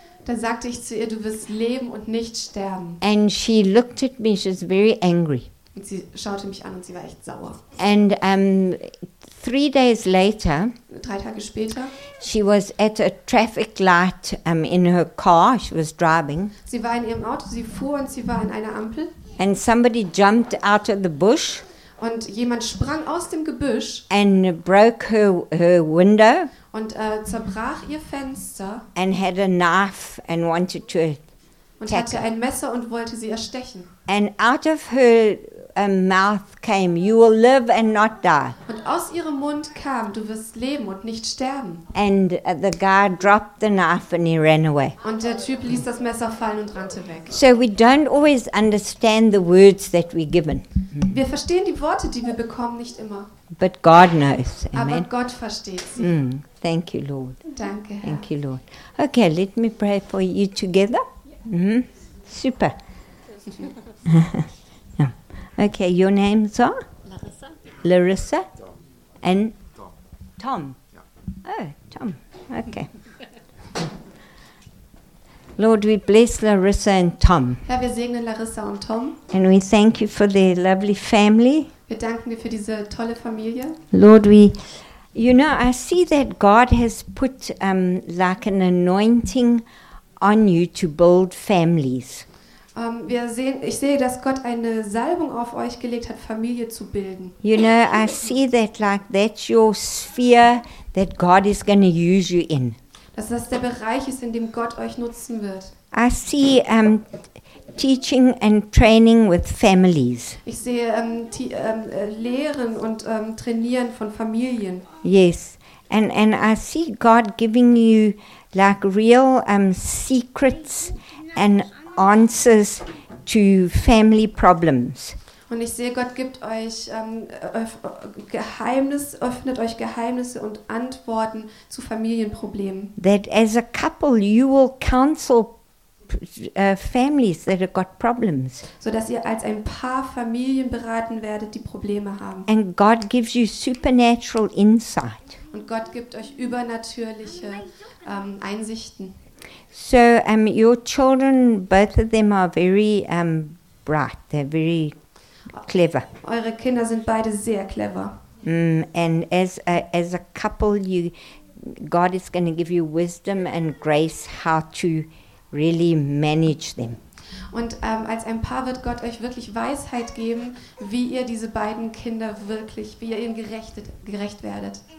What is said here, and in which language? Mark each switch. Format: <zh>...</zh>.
<de>Da sagte ich zu ihr, du wirst leben und nicht sterben.</de> <en>And she looked at me, she was very angry.</en> <de>Und sie schaute mich an und sie war echt sauer.</de> <en>And 3 days later,</en> <de>3 Tage später,</de> <en>she was at a traffic light in her car, she was driving.</en> <de>Sie war in ihrem Auto, sie fuhr und sie war in einer Ampel.</de> <en>And somebody jumped out of the bush.</en> <de>Und jemand sprang aus dem Gebüsch.</de> <en>And broke her window.</en> <de>Und zerbrach ihr Fenster.</de> <en>And had a knife and wanted to</en> <de>und hatte ein Messer und wollte sie erstechen.</de> <en>And out of her mouth came, you will live and not die.</en> <de>Und aus ihrem Mund kam, du wirst leben und nicht sterben.</de> <en>And the guy dropped the knife and he ran away.</en> <de>Und der Typ ließ das Messer fallen und rannte weg.</de> <en>So we don't always understand the words that we're given.</en> <de>Wir verstehen die Worte, die wir bekommen, nicht immer.</de> <en>But God knows. Amen.</en> <de>Aber Gott versteht sie.</de> <en>Thank you, Lord.</en> <de>Danke, Herr.</de> <en>Thank you, Lord. Okay, let me pray for you together. Yeah. Mm-hmm. Super. Okay, your names are? Larissa. Tom. And? Tom. Yeah. Oh, Tom. Okay. Lord, we bless Larissa and Tom.</en> <de>Herr, wir segnen Larissa und Tom.</de> <en>And we thank you for their lovely family.</en> <de>Wir danken dir für diese tolle Familie.</de> <en>Lord, we, you know, I see that God has put like an anointing on you to build families.</en> <de>Ich sehe, dass Gott eine Salbung auf euch gelegt hat, Familie zu bilden.</de> <en>You know, I see that like that's your sphere that God is going to use you in.</en> <de>Dass das der Bereich ist, in dem Gott euch nutzen wird.</de> <en>I see teaching and training with families.</en> <de>Ich sehe Lehren und Trainieren von Familien.</de> <en>Yes, and I see God giving you like real secrets and answers to family problems.</en> <de>Und ich sehe, Gott gibt euch Geheimnis, öffnet euch Geheimnisse und Antworten zu Familienproblemen.</de> <en>That as a couple you will counsel families that have got problems.</en> <de>So dass ihr als ein Paar Familien beraten werdet, die Probleme haben.</de> <en>And God gives you supernatural insight.</en> <de>Und Gott gibt euch übernatürliche Einsichten.</de> <en>So your children, both of them are very bright. They're very clever.</en> <de>Eure Kinder sind beide sehr clever.</de> <en>And as a couple, you God is going to give you wisdom and grace how to really manage them.</en> <de>Und als ein Paar wird Gott euch wirklich Weisheit geben, wie ihr diese beiden Kinder wirklich, wie ihr ihnen gerecht werdet.</de>